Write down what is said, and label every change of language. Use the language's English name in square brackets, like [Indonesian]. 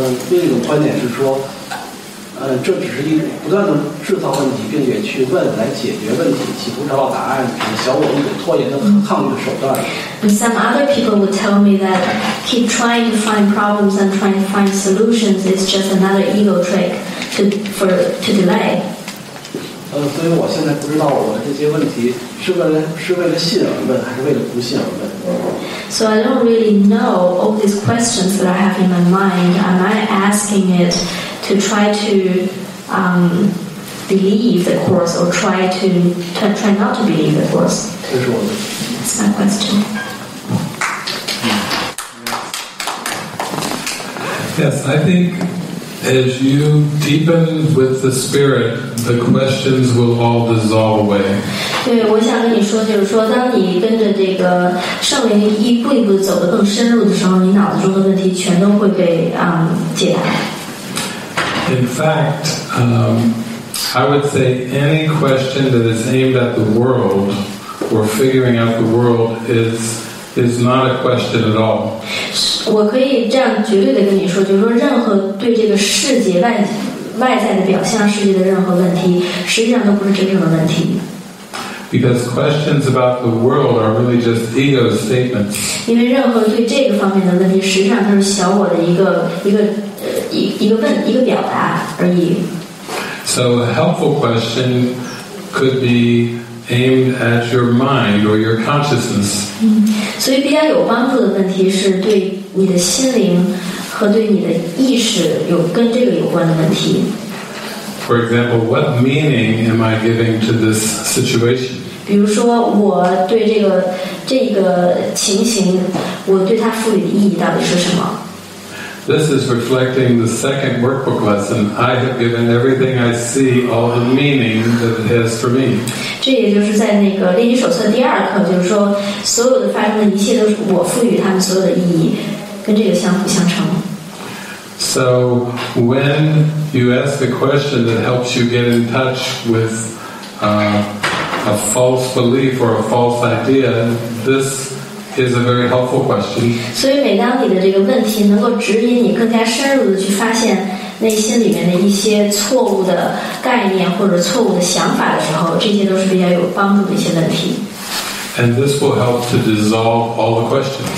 [Chinese] 另一种观点是说，这只是一种不断的制造问题，并且去问来解决问题，企图找到答案，只是小我一种拖延的抗拒手段。 [English] And some other people would tell me that keep trying to find problems and trying to find solutions is just another ego trick to delay. [Chinese] 所以我现在不知道我这些问题是为了信而问，还是为了不信而问。 [English] So I don't really know all these questions that I have in my mind. Am I asking it to try to believe the course or try not to believe the course? [Chinese] 这是我的。 [English] That's my question. Yes, I think as you deepen with the spirit, the questions will all dissolve away. [Chinese] 对，我想跟你说，就是说，当你跟着这个圣灵一步一步走得更深入的时候，你脑子中的问题全都会被解答。 [English] In fact, I would say any question that is aimed at the world or figuring out the world is not a question at all. [Chinese] 我可以这样绝对的跟你说，就是说，任何对这个世界外在的表象世界的任何问题，实际上都不是真正的问题。 [English] Because questions about the world are really just ego statements. [Chinese] 因为任何对这个方面的问题，实际上都是小我的一个表达而已。 [English] So a helpful question could be aimed at your mind or your consciousness. [Chinese] 所以比较有帮助的问题是对你的心灵和对你的意识有跟这个有关的问题。 [English] For example, what meaning am I giving to this situation? [Chinese] 比如说，我对这个情形，我对它赋予的意义到底是什么？ [English] This is reflecting the second workbook lesson. I have given everything I see all the meaning that it has for me. [Chinese] 这也就是在那个练习手册第二课，就是说，所有的发生的一切都是我赋予它们所有的意义，跟这个相辅相成。 [English] So when you ask a question that helps you get in touch with a false belief or a false idea, this is a very helpful question. [Chinese] 所以每当你的这个问题能够指引你更加深入的去发现内心里面的一些错误的概念或者错误的想法的时候，这些都是比较有帮助的一些问题。 [English] And this will help to dissolve all the questions.